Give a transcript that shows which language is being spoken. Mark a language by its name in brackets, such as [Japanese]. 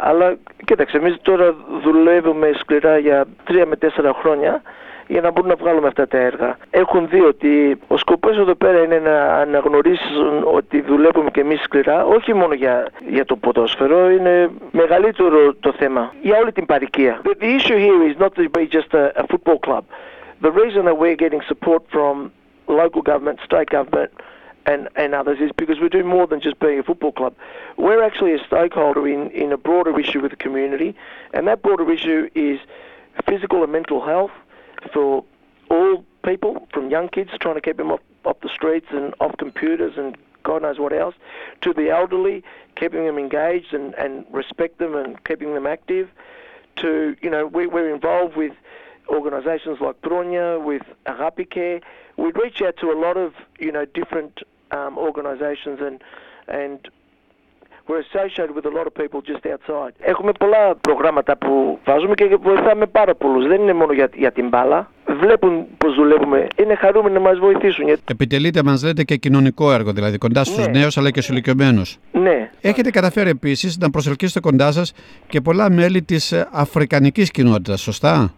[Greek] Αλλά κοίταξε, εμείς τώρα δουλεύουμε σκληρά για 3 με 4 χρόνια για να μπορούμε να βγάλουμε αυτά τα έργα. Έχουν δει ότι ο σκοπός εδώ πέρα είναι να αναγνωρίσουν ότι δουλεύουμε και εμείς σκληρά, όχι μόνο για το ποδόσφαιρο, είναι μεγαλύτερο το θέμα για όλη την παροικία. [English] The issue here is not just a football club. The reason that we're getting support from local government, state government and others is because we're doing more than just being a football club. We're actually a stakeholder in a broader issue with the community, and that broader issue is physical and mental health for all people, from young kids trying to keep them off the streets and off computers and God knows what else, to the elderly, keeping them engaged and respect them and keeping them active, to, you know, we're involved with organisations like Pronya, with Agapike. We reach out to a lot of, you know, different organisations and we're associated with a lot of people just outside. [Greek] Έχουμε πολλά προγράμματα που βάζουμε και βοηθάμε πάρα πολλούς. Δεν είναι μόνο για την μπάλα. Βλέπουν πώς δουλεύουμε. Είναι χαρούμενοι να μας βοηθήσουν. Επιτελείτε, μας λέτε, και κοινωνικό έργο, δηλαδή κοντά στους νέους αλλά και στους ηλικιωμένους. Ναι. Έχετε καταφέρει επίσης να προσελκύσετε κοντά σας και πολλά μέλη της αφρικανικής κοινότητας, σωστά?